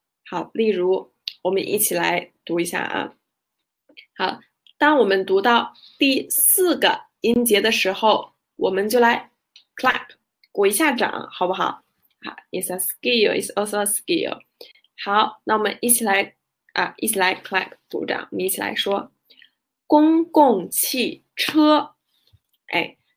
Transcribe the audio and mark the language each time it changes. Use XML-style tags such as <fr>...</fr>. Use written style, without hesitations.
<zh>好，例如，我们一起来读一下啊。好，当我们读到第四个音节的时候，我们就来 clap，鼓一下掌，好不好？</zh> <en>好，it's a skill, it's also a skill。</en> <zh>好，那我们一起来 clap，鼓掌，我们一起来说，公共汽车，哎。</zh>